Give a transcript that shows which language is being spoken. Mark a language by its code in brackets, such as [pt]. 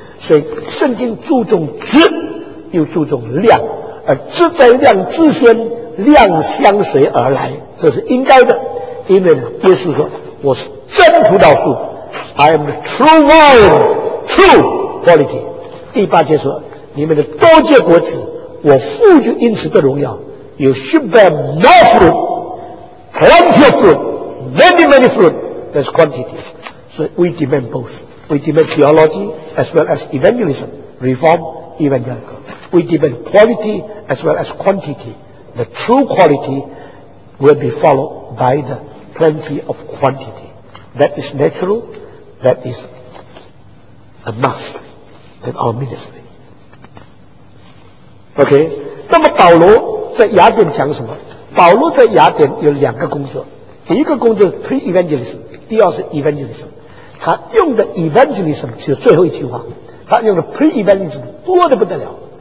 [zh] 所以圣经注重质，又注重量，而质在量之先，量相随而来，这是应该的。因为耶稣说，我是真葡萄树， [en] I am the true vine, true quality。 [zh] 第八节说，你们的多结果子，我父就因此得荣耀。 [en] You should bear more fruit, plenty of fruit, many many fruit, that's quantity。 [zh] 所以 [en] we demand both, we demand theology as well as evangelism, reform evangelical, we demand quality as well as quantity, the true quality will be followed by the plenty of quantity, that is natural, that is a must in our ministry。 [zh] OK， 那么保罗在雅典讲什么？保罗在雅典有两个工作，第一个工作是 pre-evangelism， 第二是 evangelism。他用的 evangelism 是最后一句话，他用的 pre-evangelism 多得不得了。